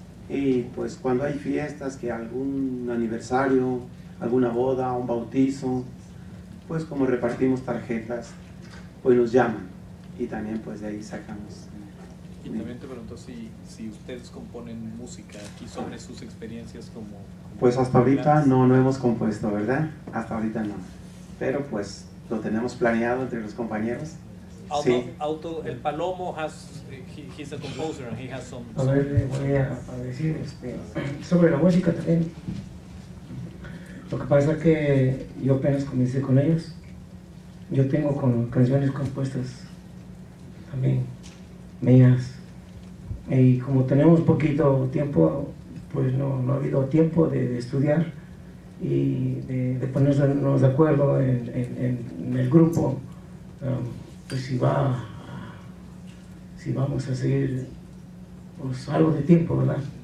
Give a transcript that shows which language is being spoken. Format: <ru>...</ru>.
<es>Y pues cuando hay fiestas, que algún aniversario, alguna boda, un bautizo, pues como repartimos tarjetas, pues nos llaman y también pues de ahí sacamos. Y también te pregunto si ustedes componen música aquí sobre sus experiencias como... Pues hasta ahorita no hemos compuesto, ¿verdad? Hasta ahorita no. Pero pues lo tenemos planeado entre los compañeros. Sí.</es> <en>El Palomo he's a composer and he has some.</en> <es>A ver, voy a decir sobre la música también. Lo que pasa es que yo apenas comencé con ellos. Yo tengo canciones compuestas también mías. Y como tenemos poquito tiempo, pues no ha habido tiempo de estudiar y de ponernos de acuerdo en el grupo, pues si vamos a seguir, pues algo de tiempo, ¿verdad?</es>